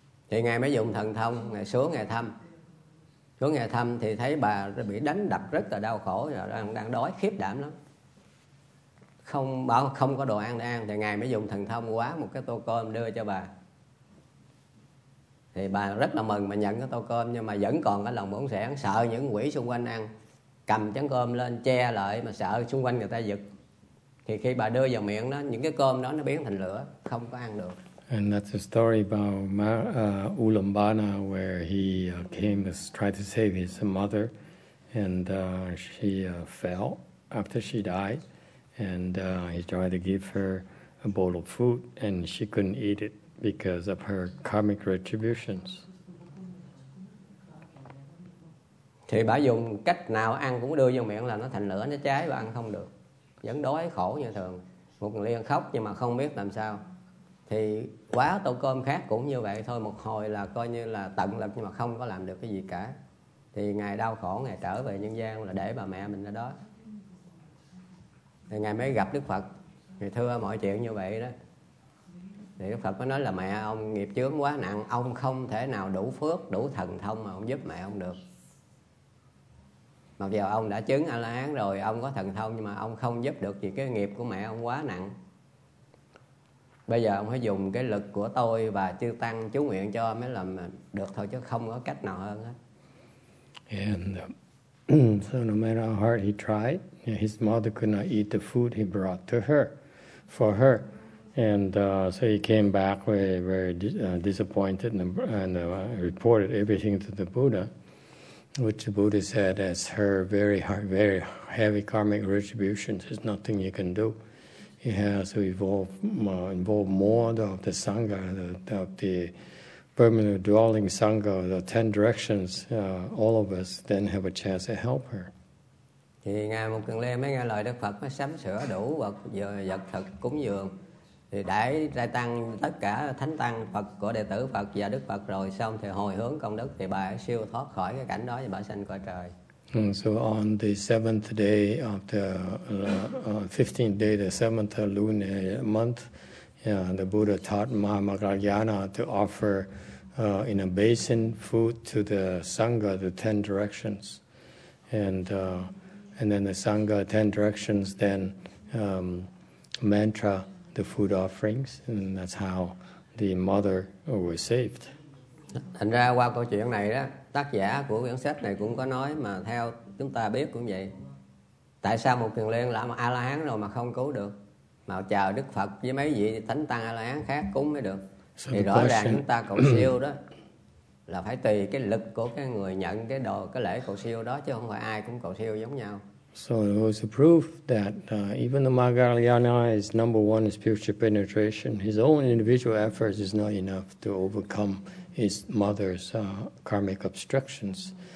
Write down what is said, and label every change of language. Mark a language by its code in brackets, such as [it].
[vi] Thì ngài mới dùng thần thông, ngài xuống ngài thăm. Xuống ngài thăm thì thấy bà bị đánh đập rất là đau khổ, đang đói khiếp đảm lắm. Không bảo không có đồ ăn để ăn, thì ngài mới dùng thần thông quá một cái tô cơm đưa cho bà. Thì bà rất là mừng mà nhận cái tô cơm, nhưng mà vẫn còn cái lòng bổn sẻn, sợ những quỷ xung quanh ăn, cầm chén cơm lên che lại mà sợ xung quanh người ta giật. Thì khi bà đưa vào miệng đó, những cái cơm đó nó biến thành lửa, không có ăn được. [en] And that's a story about Ulambana, where he came to try to save his mother, and she fell after she died, and he tried to give her a bowl of food, and she couldn't eat it because of her karmic retributions. [vi] Thì bà dùng cách nào ăn cũng đưa vào miệng là nó thành lửa, nó cháy và ăn không được. Vẫn đói khổ như thường. Một liên khóc nhưng mà không biết làm sao. Thì quá tô cơm khác cũng như vậy thôi. Một hồi là coi như là tận lực nhưng mà không có làm được cái gì cả. Thì ngài đau khổ, ngài trở về nhân gian là để bà mẹ mình ở đó. Thì ngài mới gặp Đức Phật. Ngài thưa mọi chuyện như vậy đó. Thì Đức Phật mới nói là mẹ ông nghiệp chướng quá nặng. Ông không thể nào đủ phước, đủ thần thông mà ông giúp mẹ ông được. Mặc dù ông đã chứng A-la-hán rồi, ông có thần thông, nhưng mà ông không giúp được vì cái nghiệp của mẹ ông quá nặng. Bây giờ ông phải dùng cái lực của tôi và chư tăng chú nguyện cho mới làm được thôi, chứ không có cách nào hơn hết. [en] And so no matter how hard he tried, his mother could not eat the food he brought to her, for her. And so he came back very, very disappointed and reported everything to the Buddha. Which the Buddha said, as her very hard, very heavy karmic retributions, there's nothing you can do. He has to involve more of the Sangha, of the permanent dwelling Sangha, the 10 directions, all of us then have a chance to help her. [vi] Thì Ngài Mục Cần Lê mới nghe lời Đức Phật, mới sắm sửa đủ vật thực cúng dường. Thì đãi trai tăng, tất cả thánh tăng Phật của đệ tử Phật và Đức Phật rồi xong thì hồi hướng công đức thì bà ấy siêu thoát khỏi cái cảnh đó và bà sanh cõi trời. [en] So on the 7th day of the 15th day, the 7th lunar month, the Buddha taught Mahamagalyana to offer in a basin food to the Sangha, the 10 directions. And then the Sangha, 10 directions, then mantra the food offerings, and that's how the mother was saved. [vi] Thành ra qua câu chuyện này đó, tác giả của quyển sách này cũng có nói mà theo chúng ta biết cũng vậy. Tại sao một Kiền Liên là A-la-hán rồi mà không cứu được? Mà chờ Đức Phật với mấy vị thánh tăng A-la-hán khác cúng mới được. So thì rõ ràng chúng ta cầu siêu đó là phải tùy cái lực của cái người nhận cái đồ, cái lễ cầu siêu đó, chứ không phải ai cũng cầu siêu giống nhau. [en] So it was a proof that even the Mahamagalyana is number one is spiritual penetration. His own individual efforts is not enough to overcome his mother's karmic obstructions.